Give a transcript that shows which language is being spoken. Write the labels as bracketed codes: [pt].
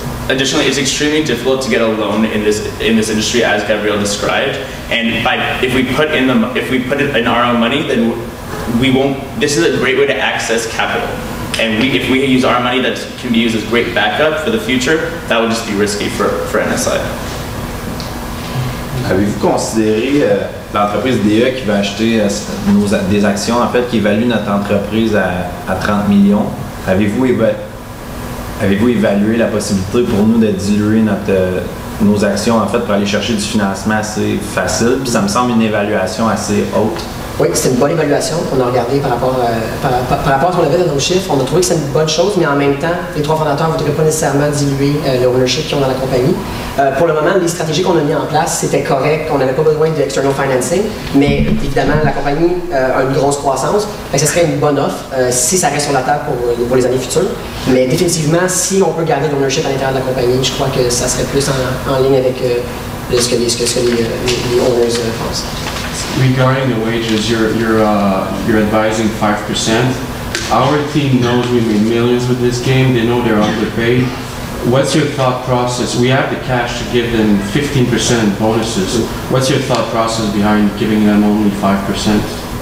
[en] Additionally, it's extremely difficult to get a loan in this industry, as Gabriel described. And if we put it in our own money, then we won't. This is a great way to access capital. And if we use our money, that can be used as great backup for the future. That would just be risky for NSI. [fr] Avez-vous considéré l'entreprise DE qui va acheter des actions, en fait, qui évalue notre entreprise à 30 millions? Avez-vous évalué la possibilité pour nous de diluer nos actions, en fait, pour aller chercher du financement assez facile? Puis ça me semble une évaluation assez haute. Oui, c'est une bonne évaluation qu'on a regardé par rapport à ce qu'on avait dans nos chiffres. On a trouvé que c'est une bonne chose, mais en même temps, les trois fondateurs ne voudraient pas nécessairement diluer le ownership qu'ils ont dans la compagnie. Pour le moment, les stratégies qu'on a mises en place, c'était correct. On n'avait pas besoin d' [en] external financing, [fr] mais évidemment, la compagnie a une grosse croissance. Donc, ce serait une bonne offre si ça reste sur la table pour les années futures. Mais définitivement, si on peut garder l'ownership à l'intérieur de la compagnie, je crois que ça serait plus en ligne avec ce que les owners pensent. [en] Regarding the wages, you're advising 5%. Our team knows we made millions with this game. They know they're underpaid. What's your thought process? We have the cash to give them 15% bonuses. What's your thought process behind giving them only 5%?